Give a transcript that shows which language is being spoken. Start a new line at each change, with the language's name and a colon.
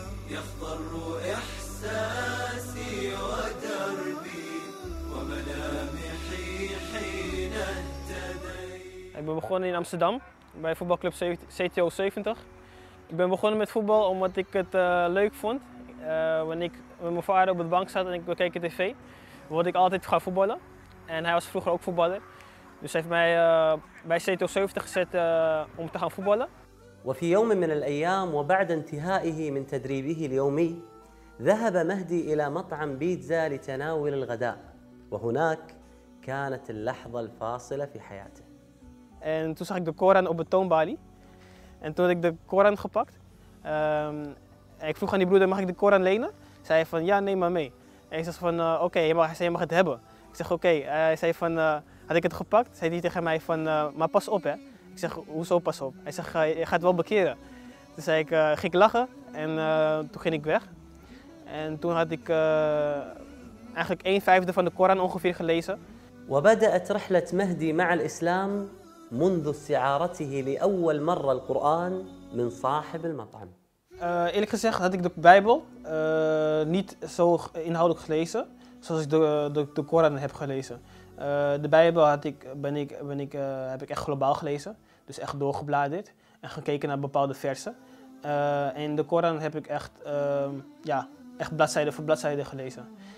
Arabic: يخضر إحساسي ودربي وملامحي حين اهتدي.
Dutch: Ik ben begonnen in Amsterdam bij voetbalclub CTO 70. Ik ben begonnen met voetbal omdat ik het leuk vond. Wanneer ik met mijn vader op de bank zat en ik keek tv, wilde ik altijd gaan voetballen. En hij was vroeger ook voetballer. Dus hij heeft mij bij CTO 70 gezet om te gaan voetballen.
Arabic: وفي يوم من الأيام وبعد انتهائه من تدريبه اليومي ذهب مهدي إلى مطعم بيتزا لتناول الغداء، وهناك كانت اللحظة الفاصلة في حياته.
Dutch: En toen zag ik de koran op de toonbalie. En toen had ik de koran gepakt. Ik vroeg aan die broeder, mag ik de koran lenen? Zei hij van, ja, neem maar mee. En ik zei van, oké, je mag het hebben. Ik zeg, oké. Hij zei van, had ik het gepakt? Zei hij tegen mij van, maar pas op, hè. Ik zeg, hoezo pas op? Hij zegt, je gaat wel bekeren. Toen zei ik, ging ik lachen en toen ging ik weg. En toen had ik eigenlijk 1/5 van de koran ongeveer gelezen.
Arabic: وبدأت رحلة مهدي مع الإسلام منذ استعارته لأول مرة القرآن من صاحب المطعم.
Dutch: Eerlijk gezegd had ik de Bijbel niet zo inhoudelijk gelezen zoals ik de Koran heb gelezen. De Bijbel heb ik echt globaal gelezen, dus echt doorgebladerd en gekeken naar bepaalde versen. En de Koran heb ik echt, echt bladzijde voor bladzijde gelezen.